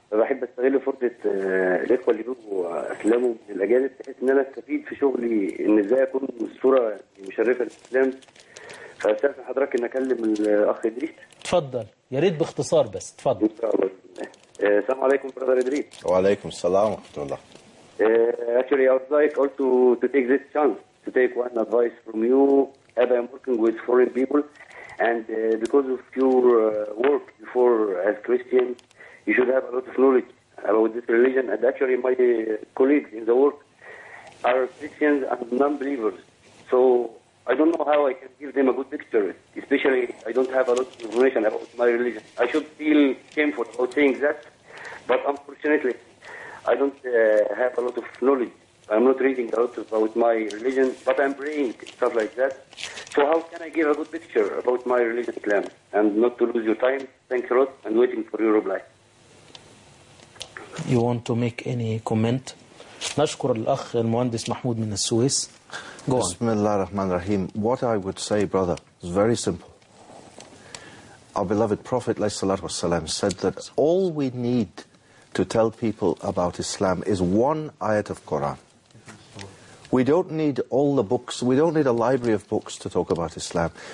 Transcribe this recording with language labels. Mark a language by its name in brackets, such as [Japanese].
[Arabic] بحب أستغل فرصة الإخوة اللي بيجوا أفلامه من الأجانب بحيث إن أنا أستفيد في شغلي، إن إزاي أكون الصورة مشرفة للإسلام. فأستأذن حضرتك إن أكلم الأخ إدريس. اتفضل، يا ريت باختصار بس، اتفضل. إن شاء الله. السلام عليكم برادر إدريس. وعليكم السلام ورحمة الله. [English] Actually, I would like also to take this chance to take one advice from you. As I'm working with foreign people, and because of your work before as Christian, you should have a lot of knowledge about this religion. And actually, my colleagues in the work are Christians and non-believers, so I don't know how I can give them a good picture. Especially, I don't have a lot of information about my religion. I should feel shameful about saying that, but unfortunately, I don't have a lot of knowledge. I'm not reading a lot about my religion, but I'm praying, stuff like that. So how can I give a good picture about my religious Islam? And not to lose your time, thanks a lot, and waiting for your reply. You want to make any comment? [Arabic] نشكر الأخ المهندس محمود من السويس. [English] Go on. [Arabic] بسم الله الرحمن الرحيم. [English] What I would say, brother, is very simple. Our beloved Prophet said that all we need to tell people about Islam is one ayat of Quran. We don't need all the books, we don't need a library of books to talk about Islam.